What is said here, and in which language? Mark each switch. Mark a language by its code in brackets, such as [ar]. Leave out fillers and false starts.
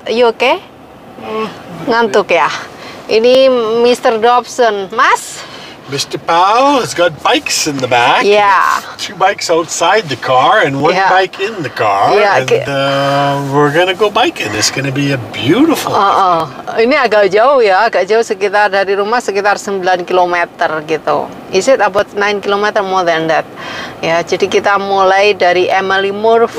[en] You okay? [id] Ngantuk ya? Ini Mr. Dobson, Mas. [en] Mr. Powell has got bikes in the back. Yeah. Two bikes outside the car and one bike in the car. Yeah. And we're gonna go biking. It's gonna be a beautiful. [id] Ini agak jauh ya, agak jauh, sekitar dari rumah sekitar 9 km gitu. [en] Is it about 9 km more than that? [id] Ya, yeah, jadi kita mulai dari Emily Murphy.